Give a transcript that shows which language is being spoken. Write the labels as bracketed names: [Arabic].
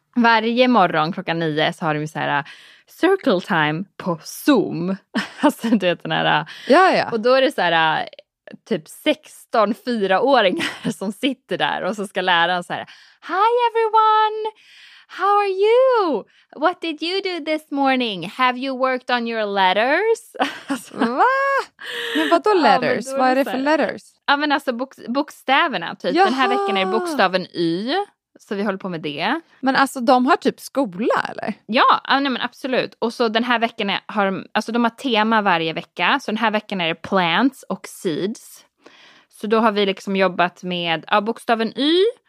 [Swedish] Varje morgon 9 så har de ju så här circle time på Zoom. Alltså du vet den här. Ja, ja. Och då är det så här typ 16 fyraåringar som sitter där och så ska läraren så här, hi everyone! [English] How are you? What did you do this morning? Have you worked on your letters? [Swedish] Va? Men vadå letters? Ja, men vad är det för letters? Ja, men alltså bokstäverna. Typ. Den här veckan är bokstaven Y. Så vi håller på med det. Men alltså, de har typ skola, eller? Ja, nej, men absolut. Och så den här veckan har alltså, de har tema varje vecka. Så den här veckan är det plants och seeds. Så då har vi liksom jobbat med bokstaven Y.